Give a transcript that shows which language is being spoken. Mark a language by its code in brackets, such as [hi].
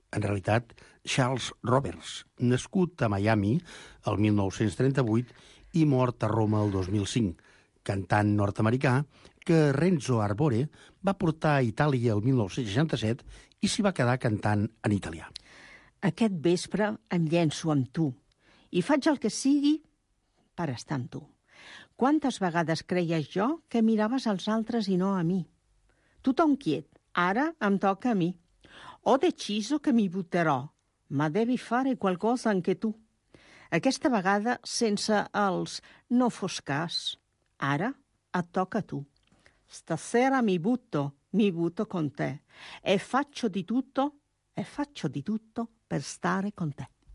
[ca] En realitat, Charles Roberts, nascut a Miami el 1938 i mort a Roma el 2005, cantant nord-americà que Renzo Arbore va portar a Itàlia el 1967 i s'hi va quedar cantant en italià. Aquest vespre em llenço amb tu. I faig el que sigui per estar amb tu. Quantes vegades creies jo que miraves als altres i no a mi? Tothom quiet, ara em toca a mi. [it] Ho deciso que mi butterò, ma devi fare qualcosa anche tu. [ca] Aquesta vegada sense els no fos cas, ara et toca a tu. [it] Stasera mi butto con te. E faccio di tutto per stare con te.